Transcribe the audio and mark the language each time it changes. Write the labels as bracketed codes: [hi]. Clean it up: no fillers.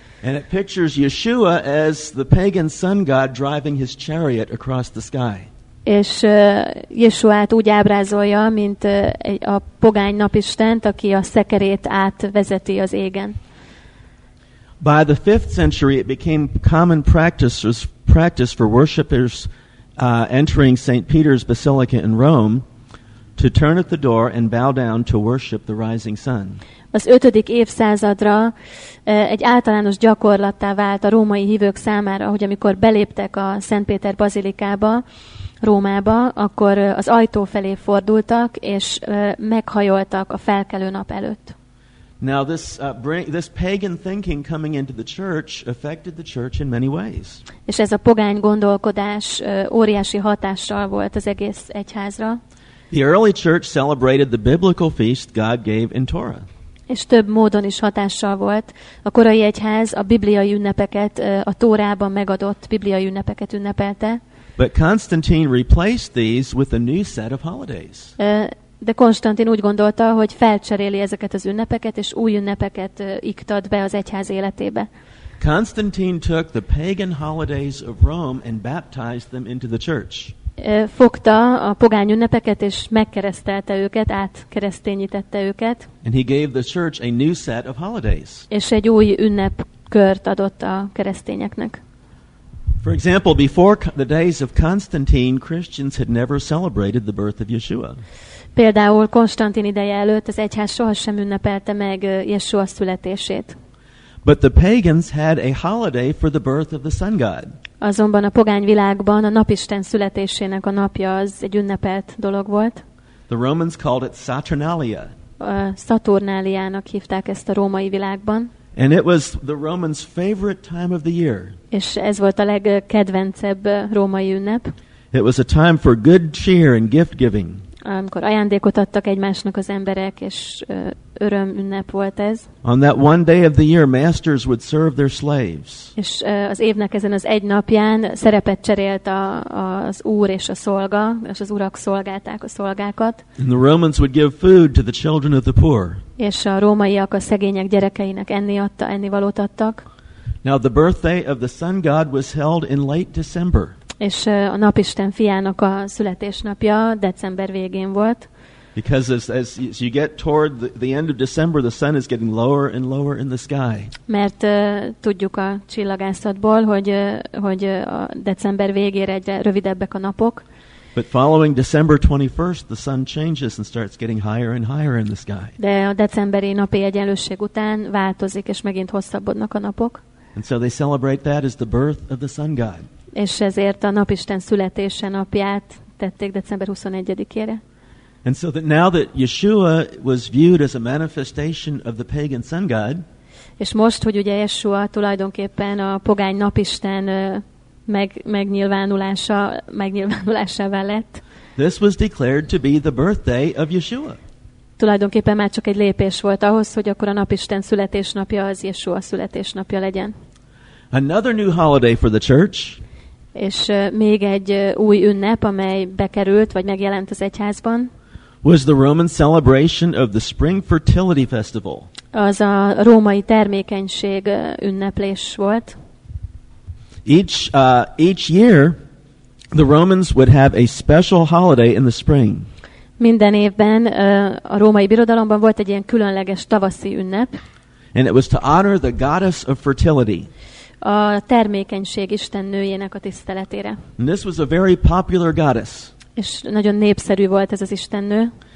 [en] And it pictures Yeshua as the pagan sun god driving his chariot across the sky. [hu] És Yeshuát úgy ábrázolja, mint a pogány napistent, aki a szekerét átvezeti az égen. [en] By the 5th century it became common practice for worshippers entering St. Peter's Basilica in Rome to turn at the door and bow down to worship the rising sun. [hu] Az 5. évszázadra egy általános gyakorlattá vált a római hívők számára, hogy amikor beléptek a Szent Péter Bazilikába, Rómába, akkor az ajtó felé fordultak, és meghajoltak a felkelő nap előtt. [en] Now this pagan thinking coming into the church affected the church in many ways. [hu] És ez a pogány gondolkodás óriási hatással volt az egész egyházra. [en] The early church celebrated the biblical feast God gave in Torah. [hu] És több módon is hatással volt. A korai egyház a bibliai ünnepeket, a Tórában megadott bibliai ünnepeket ünnepelte. [en] But Constantine replaced these with a new set of holidays. [hu] De Konstantin úgy gondolta, hogy felcseréli ezeket az ünnepeket, és új ünnepeket iktat be az egyház életébe. [en] Constantine took the pagan holidays of Rome and baptized them into the church. [hu] fogta a pogány ünnepeket és megkeresztelte őket, átkereszténítette őket. [en] And he gave the church a new set of holidays. [hu] És egy új ünnepkört adott a keresztényeknek. [en] For example, before the days of Constantine, Christians had never celebrated the birth of Yeshua. [hu] Például Konstantin ideje előtt az egyház sohasem ünnepelte meg Yeshua születését. [en] But the pagans had a holiday for the birth of the sun god. [hu] Azonban a pogány világban a napisten születésének a napja az egy ünnepelt dolog volt. [en] The Romans called it Saturnalia. [hu] Saturnáliának hívták ezt a római világban. [en] And it was the Romans' favorite time of the year. [hu] És ez volt a legkedvencebb római ünnep. [en] It was a time for good cheer and gift giving. [hu] Amikor ajándékot adtak egymásnak az emberek, és öröm ünnep volt ez. [en] On that one day of the year, masters would serve their slaves. [hu] És az évnek ezen az egy napján szerepet cserélt az úr és a szolga, és az urak szolgálták a szolgákat. [en] And the Romans would give food to the children of the poor. [hu] És a rómaiak a szegények gyerekeinek ennivalót adtak. [en] Now the birthday of the sun god was held in late December. [hu] És a napisten fiának a születésnapja december végén volt. [en] Because as you get toward the end of December, the sun is getting lower and lower in the sky. [hu] Mert tudjuk a csillagászatból, hogy a december végére egyre rövidebbek a napok. [en] But following December 21st, the sun changes and starts getting higher and higher in the sky. [hu] De a decemberi napi egyenlőség után változik, és megint hosszabbodnak a napok. [en] And so they celebrate that as the birth of the sun god. [hu] És ezért a napisten születése napját tették december 21-ére. [en] And so that now that Yeshua was viewed as a manifestation of the pagan sun god, [hu] és most, hogy ugye Yeshua tulajdonképpen a pogány napisten megnyilvánulásával lett, [en] this was declared to be the birthday of Yeshua. [hu] Tulajdonképpen már csak egy lépés volt ahhoz, hogy akkor a napisten születésnapja az Yeshua születésnapja legyen. [en] Another new holiday for the church. [hu] És még egy új ünnep, amely bekerült vagy megjelent az egyházban. [en] Was the Roman celebration of the spring fertility festival. [hu] Az a római termékenység ünneplés volt. [en] Each year the Romans would have a special holiday in the spring. [hu] Minden évben a római birodalomban volt egy ilyen különleges tavaszi ünnep. [en] And it was to honor the goddess of fertility. [hu] A termékenység istennőjének a tiszteletére. [en] And this was a very popular goddess. [hu] És nagyon népszerű volt ez az istennő.